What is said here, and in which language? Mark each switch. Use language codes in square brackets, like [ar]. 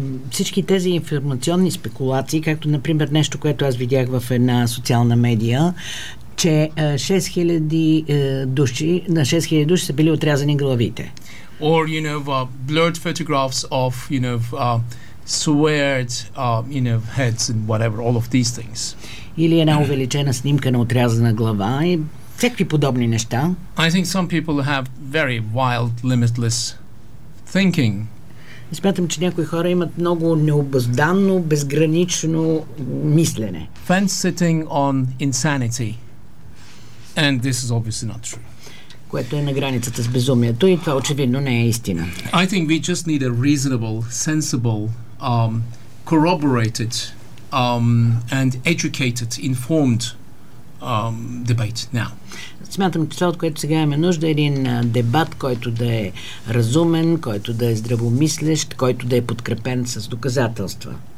[bg] Всички тези информационни спекулации, както например нещо, което аз видях в една социална медия, че 6,000 души са били отрязани главите. [en] Or, blurred photographs of, sweared, heads and whatever, all of these things. [bg] Или една увеличена снимка на отрязана глава и всякакви подобни неща. [en] I think some people have very wild, limitless thinking. [bg] И смятам, че някои хора имат много необъздано, безгранично мислене. [en] Fence sitting on insanity. And this is obviously not true. [bg] Което е на границата с безумието и това очевидно не е истина. [en] I think we just need a reasonable, sensible, corroborated, and educated, informed debate now. [bg] Смятам, че това, от което сега имаме нужда, е един дебат, който да е разумен, който да е здравомислещ, който да е подкрепен с доказателства.